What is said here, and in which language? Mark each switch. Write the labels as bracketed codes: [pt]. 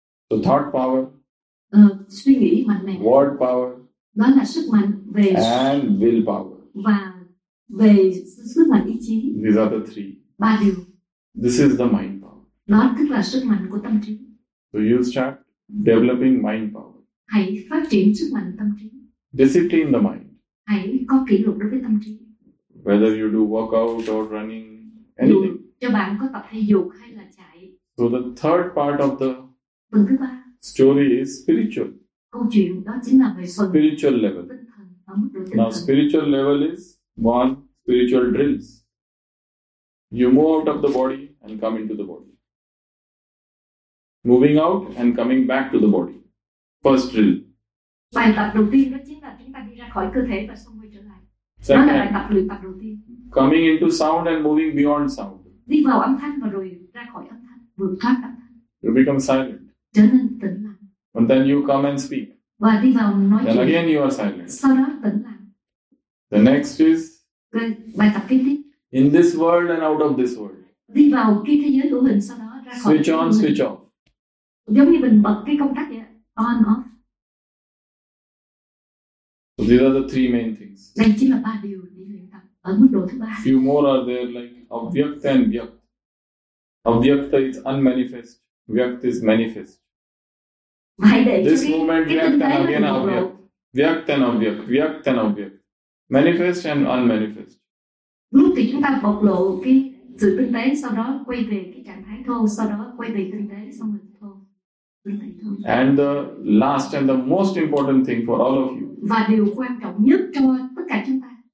[en] So thought power. [vi] Suy nghĩ mạnh mẽ. [en] Word power. [vi] Đó là sức mạnh về [en] and willpower. [vi] Và về sức mạnh ý chí. [en] These are the three. [vi] Ba điều. [en] This is the mind power. [vi] Đó tức là sức mạnh của tâm trí. [en] So you start developing mind power. [vi] Hãy phát triển sức mạnh tâm trí. [en] Discipline the mind. [vi] Hãy có kỷ luật đối với tâm trí. [en] Whether you do workout or running, anything. [vi] Dù cho bạn có tập thể dục hay là chạy. [en] So the third part of the [vi] phần thứ ba [en] story is spiritual. [vi] Câu chuyện đó chính là về phần [en] spiritual level. Now spiritual level is one spiritual drills. You move out of the body and come into the body. moving out and coming back to the body. First drill. [vi] Bài tập đầu tiên đó chính là chúng ta đi ra khỏi cơ thể và xong quay trở lại. Second, đó là bài tập luyện tập đầu tiên. [en] Coming into sound and moving beyond sound. [vi] Đi vào âm thanh và rồi ra khỏi âm thanh, vượt thoát âm thanh. [en] You become silent. [vi] Trở nên tĩnh lặng. [en] And then you come and speak. [vi] Và đi vào nói [en] then [vi] chuyện. [en] Again you are silent. [vi] Sau đó tĩnh lặng. [en] The next is [vi] bài tập kế tiếp. [en] In this world and out of this world. [vi] Đi vào cái thế giới hữu hình sau đó ra khỏi. [en] Switch on, switch off. [vi] Giống như mình bật cái công tắc vậy, on off. [en] So these are the three main things. [vi] Đây chính là ba điều để luyện tập ở mức độ thứ ba. [en] Few more are there like avyakta and vyakta. Avyakta is unmanifest. Vyakta is manifest. [vi] Vậy để [en] this moment vyakta and again avyakta. Vyakta and avyakta. Vyakta and avyakta. Manifest and unmanifest. [vi] Lúc thì chúng ta bộc lộ cái sự tinh tế, sau đó quay về cái trạng thái thô, sau đó quay về tinh tế, xong rồi thô. [en] And the last and the most important thing for all of you. [vi] Và điều quan trọng nhất cho tất cả chúng ta.